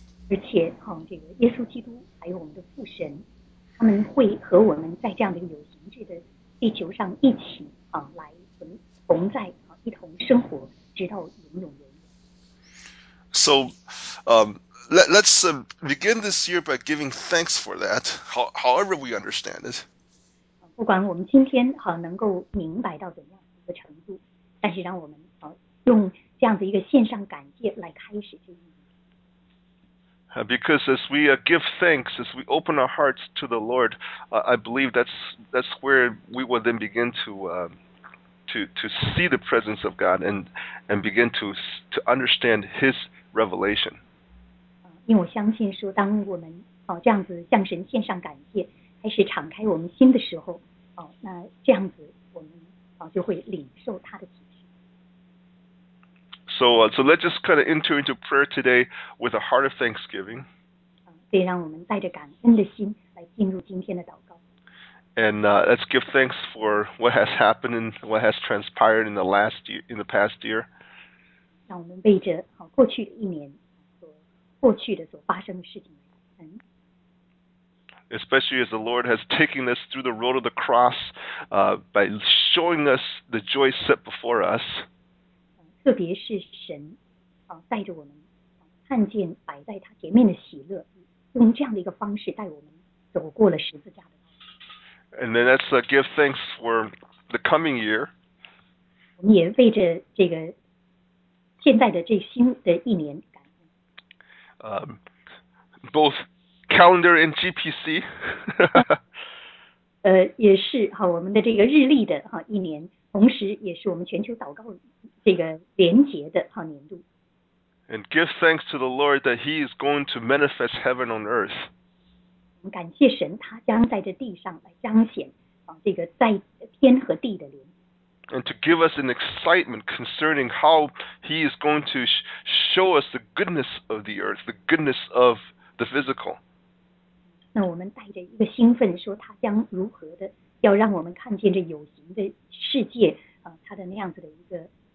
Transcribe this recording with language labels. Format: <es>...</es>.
<zh>而且，哈，这个耶稣基督还有我们的父神，他们会和我们在这样的一个有形质的地球上一起啊，来同在啊，一同生活，直到永永远远。</zh> <en>So, let's begin this year by giving thanks for that. However we understand it.</en> <zh>不管我们今天哈能够明白到怎样一个程度，但是让我们啊用这样的一个线上感谢来开始这一年。</zh> <en>Because as we give thanks, as we open our hearts to the Lord, I believe that's where we will then begin to see the presence of God and begin to understand His revelation. Because I believe that as we give thanks, we open our hearts to the Lord, and So let's just kind of enter into prayer today with a heart of thanksgiving.</en> <zh>对，让我们带着感恩的心来进入今天的祷告。</zh> <en>And let's give thanks for what has happened and what has transpired in the last year, in the past year.</en> <zh>让我们背着好过去的一年所过去的所发生的事情来感恩。</zh> <en>Especially as the Lord has taken us through the road of the cross, by showing us the joy set before us.</en> <zh>特别是神带着我们看见摆在他前面的喜乐，用这样的一个方式带我们走过了十字架的道路。</zh> <en>And then let's give thanks for the coming year.</en> <zh>我们也为着这个现在的这新的一年感恩。</zh> <en>Both calendar and GPC.</en> <zh>也是好我们的这个日历的一年，同时也是我们全球祷告这个连结的年度。</zh> <en>And give thanks to the Lord that He is going to manifest heaven on earth.</en> <zh>感谢神，他将在这地上来彰显这个在天和地的连结。</zh> <en>And to give us an excitement concerning how He is going to show us the goodness of the earth, the goodness of the physical.</en> <zh>那我们带着一个兴奋，说他将如何的要让我们看见这有形的世界他的那样子的一个。</zh>